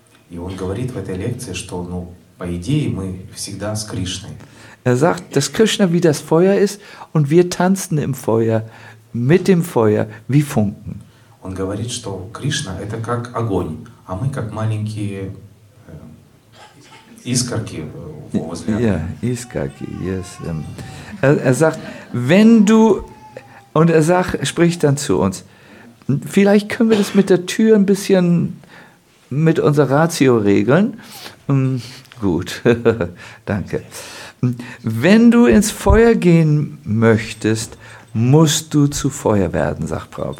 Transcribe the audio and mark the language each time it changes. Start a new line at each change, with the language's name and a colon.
Russian: И он говорит в этой лекции, что, ну, по идее, мы всегда с Кришной.
German: Er sagt, dass Krishna wie das Feuer ist und wir tanzen im Feuer, mit dem Feuer, wie Funken.
Russian: Он говорит, что Кришна это как огонь, а мы как маленькие искорки возле. Ja, искорки, yes.
German: Er sagt, wenn du, und er sagt, spricht dann zu uns, vielleicht können wir das mit der Tür ein bisschen mit unserer Ratio regeln. Gut, danke. Wenn du ins Feuer gehen möchtest, musst du zu Feuer werden, sagt